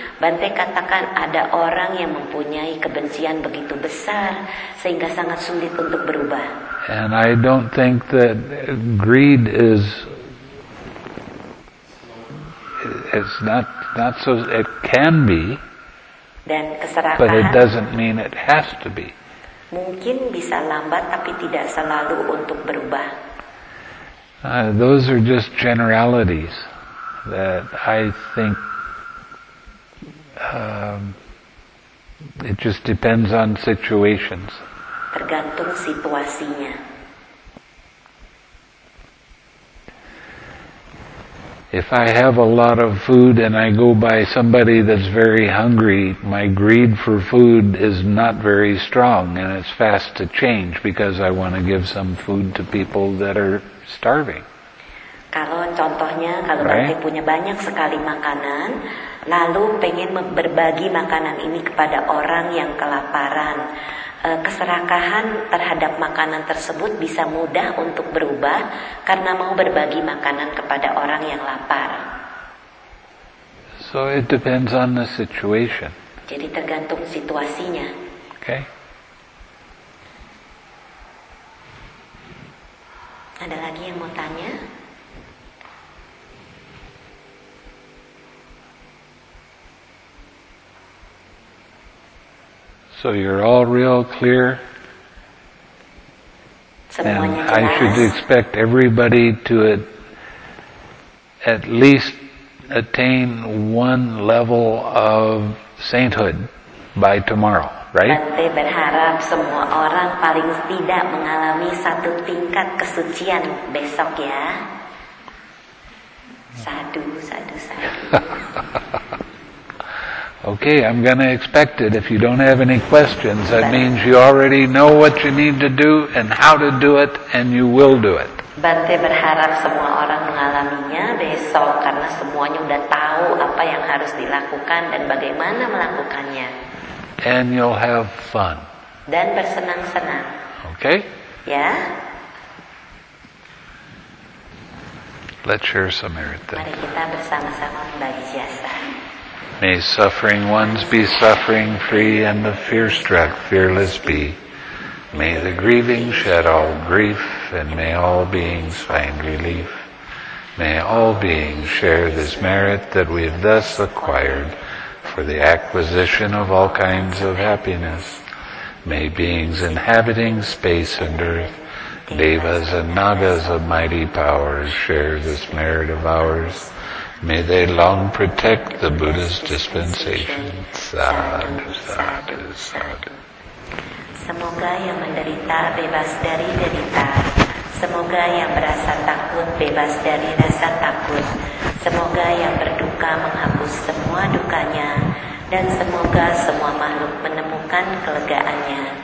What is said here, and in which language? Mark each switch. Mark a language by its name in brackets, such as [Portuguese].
[Indonesian] Bante katakan ada orang yang mempunyai kebencian begitu besar sehingga sangat sulit untuk berubah. [English] And I don't think that greed is, it's not so, it can be, [Indonesian] dan keserakahan, [English] but it doesn't mean it has to be. [Indonesian] Mungkin bisa lambat tapi tidak selalu untuk berubah. [English] Those are just generalities that I think it just depends on situations. [Indonesian] Tergantung situasinya. [English] If I have a lot of food and I go by somebody that's very hungry, my greed for food is not very strong, and it's fast to change because I want to give some food to people that are starving. [Indonesian] Kalau contohnya, kalau Bante punya banyak sekali makanan, lalu pengen berbagi makanan ini kepada orang yang kelaparan, keserakahan terhadap makanan tersebut bisa mudah untuk berubah karena mau berbagi makanan kepada orang yang lapar. [English] So it depends on the situation. [Indonesian] Jadi tergantung situasinya. [English] Okay. [Indonesian] Ada lagi yang mau tanya? [English] So you're all real clear? [Indonesian] Semuanya [English] and [Indonesian] jelas. [English] I should expect everybody to at least attain one level of sainthood by tomorrow, right? [Indonesian] Bante berharap semua orang paling tidak mengalami satu tingkat kesucian besok ya. [Pali] Sadhu, sadhu, sadhu. [English] Okay, I'm going to expect it. If you don't have any questions, that means you already know what you need to do and how to do it, and you will do it. [Indonesian] Bante berharap semua orang mengalaminya besok karena semuanya udah tahu apa yang harus dilakukan dan bagaimana melakukannya. [English] And you'll have fun. [Indonesian] Dan bersenang-senang. [English] Okay? Yeah. Let's share some merit. [Indonesian] Mari kita bersama-sama berbagi jasa. [English] May suffering ones be suffering free and the fear struck fearless be. May the grieving shed all grief and may all beings find relief. May all beings share this merit that we've thus acquired for the acquisition of all kinds of happiness. May beings inhabiting space and earth, devas and nagas of mighty powers share this merit of ours. May they long protect the Buddha's dispensation. [Pali] Sadhu, sadhu, sadhu. [Indonesian] Semoga yang menderita bebas dari derita. Semoga yang merasa takut bebas dari rasa takut. Semoga yang berduka menghapus semua dukanya. Dan semoga semua makhluk menemukan kelegaannya.